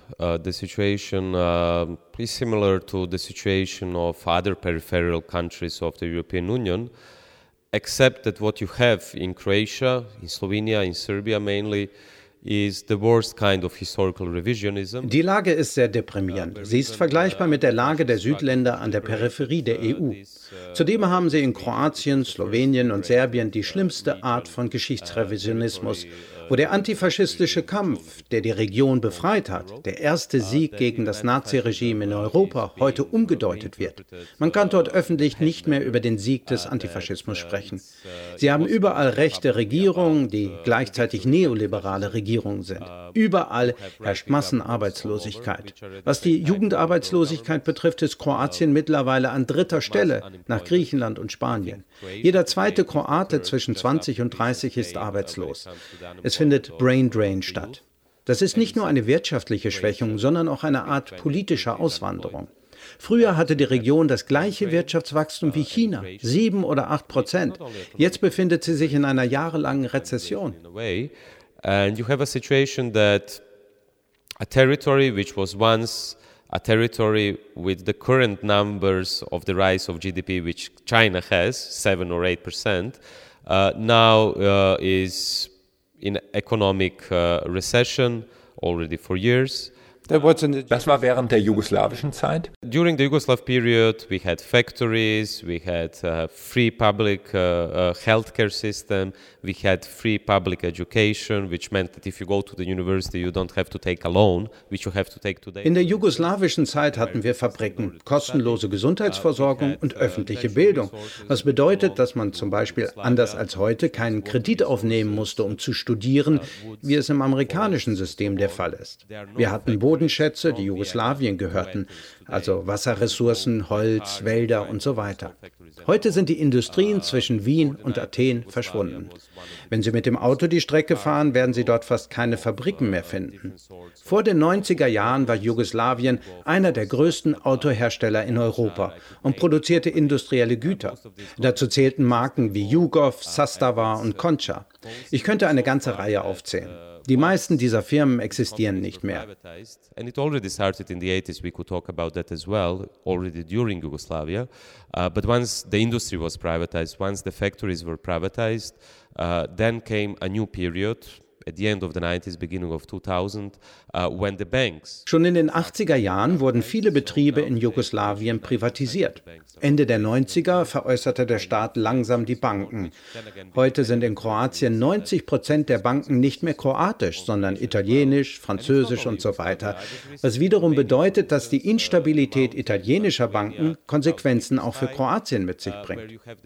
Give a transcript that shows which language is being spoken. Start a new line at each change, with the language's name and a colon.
English: The situation is similar to the situation of other peripheral countries of the European Union, except that what you have in Croatia, in Slovenia, in Serbia mainly, is the worst kind of historical revisionism.
German: Die Lage ist sehr deprimierend. Sie ist vergleichbar mit der Lage der Südländer an der Peripherie der EU. Zudem haben sie in Kroatien, Slowenien und Serbien die schlimmste Art von Geschichtsrevisionismus, wo der antifaschistische Kampf, der die Region befreit hat, der erste Sieg gegen das Naziregime in Europa, heute umgedeutet wird. Man kann dort öffentlich nicht mehr über den Sieg des Antifaschismus sprechen. Sie haben überall rechte Regierungen, die gleichzeitig neoliberale Regierungen sind. Überall herrscht Massenarbeitslosigkeit. Was die Jugendarbeitslosigkeit betrifft, ist Kroatien mittlerweile an dritter Stelle nach Griechenland und Spanien. Jeder zweite Kroate zwischen 20 und 30 ist arbeitslos. Es findet Brain Drain statt. Das ist nicht nur eine wirtschaftliche Schwächung, sondern auch eine Art politischer Auswanderung. Früher hatte die Region das gleiche Wirtschaftswachstum wie China, 7 oder 8%. Jetzt befindet sie sich in einer jahrelangen Rezession.
English: And you have a situation that a territory which was once a territory with the current numbers of the rise of GDP, which China has, 7 or 8%, now is in economic recession already for years.
German: Das war während der jugoslawischen Zeit.
English: During the Yugoslav period, we had factories, we had a free public healthcare system, we had free public education, which meant that if you go to the university, you don't have to take a loan, which you have to take today.
German: In der jugoslawischen Zeit hatten wir Fabriken, kostenlose Gesundheitsversorgung und öffentliche Bildung. Was bedeutet, dass man zum Beispiel anders als heute keinen Kredit aufnehmen musste, um zu studieren, wie es im amerikanischen System der Fall ist. Wir hatten Bodenschätze, die Jugoslawien gehörten, also Wasserressourcen, Holz, Wälder und so weiter. Heute sind die Industrien zwischen Wien und Athen verschwunden. Wenn Sie mit dem Auto die Strecke fahren, werden Sie dort fast keine Fabriken mehr finden. Vor den 90er Jahren war Jugoslawien einer der größten Autohersteller in Europa und produzierte industrielle Güter. Dazu zählten Marken wie Jugov, Sastava und Konča. Ich könnte eine ganze Reihe aufzählen. Die meisten dieser Firmen existieren nicht mehr.
English: And it already started in the 80s, we could talk about that as well, already during Yugoslavia. But once the industry was privatized, once the factories were privatized, then came a new period. At the end of the 90s, beginning of 2000, when the banks.
German: Schon in den 80er Jahren wurden viele Betriebe in Jugoslawien privatisiert. Ende der 90er veräußerte der Staat langsam die Banken. Heute sind in Kroatien 90% der Banken nicht mehr kroatisch, sondern italienisch, französisch und so weiter. Was wiederum bedeutet, dass die Instabilität italienischer Banken Konsequenzen auch für Kroatien mit sich bringt.